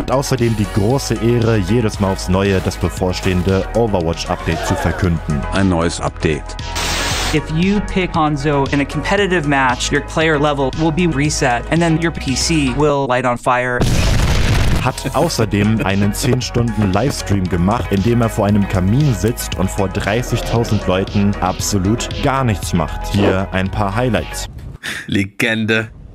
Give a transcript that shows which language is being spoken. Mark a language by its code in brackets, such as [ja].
[de] Und außerdem die große Ehre, jedes Mal aufs Neue das bevorstehende Overwatch-Update zu verkünden. Ein neues Update. [en] If you pick Hanzo in a competitive match, your player level will be reset and then your PC will light on fire. [de] Hat außerdem einen 10-Stunden Livestream gemacht, in dem er vor einem Kamin sitzt und vor 30.000 Leuten absolut gar nichts macht. Hier ein paar Highlights. Legende.